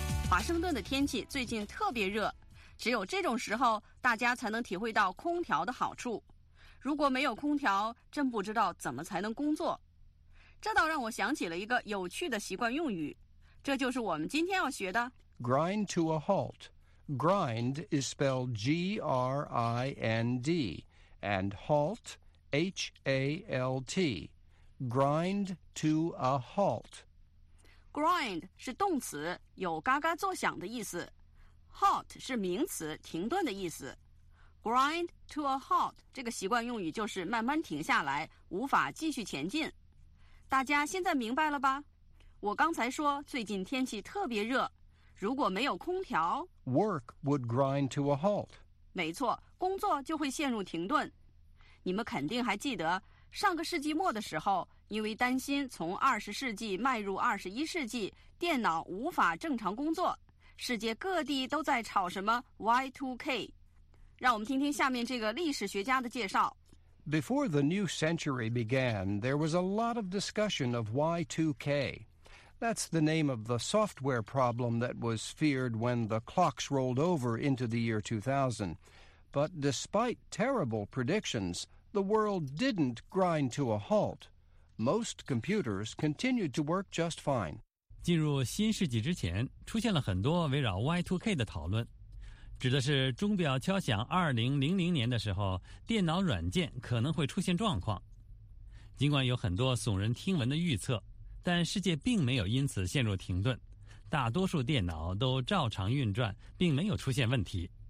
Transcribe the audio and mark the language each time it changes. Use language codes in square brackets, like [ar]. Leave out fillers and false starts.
[zh] 华盛顿的天气最近特别热，只有这种时候，大家才能体会到空调的好处。如果没有空调，真不知道怎么才能工作。这倒让我想起了一个有趣的习惯用语。这就是我们今天要学的 [en] Grind to a halt. Grind is spelled G-R-I-N-D and halt, H-A-L-T. Grind to a halt. [zh] Grind 是动词，有嘎嘎作响的意思。 Halt 是名词，停顿的意思。Grind to a halt 这个习惯用语就是慢慢停下来，无法继续前进。大家现在明白了吧？我刚才说最近天气特别热，如果没有空调 [en] Work would grind to a halt. [zh] 没错，工作就会陷入停顿。你们肯定还记得上个世纪末的时候，因为担心从20世纪迈入21世纪电脑无法正常工作，世界各地都在吵什么 Y2K。让我们听听下面这个历史学家的介绍。 [en] Before the new century began, there was a lot of discussion of Y2K. That's the name of the software problem that was feared when the clocks rolled over into the year 2000. But despite terrible predictions, the world didn't grind to a halt. Most computers continued to work just fine. [zh] 进入新世纪之前，出现了很多围绕 Y2K 的讨论。指的是钟表敲响2000年的时候，电脑软件可能会出现状况。尽管有很多耸人听闻的预测，但世界并没有因此陷入停顿，大多数电脑都照常运转，并没有出现问题。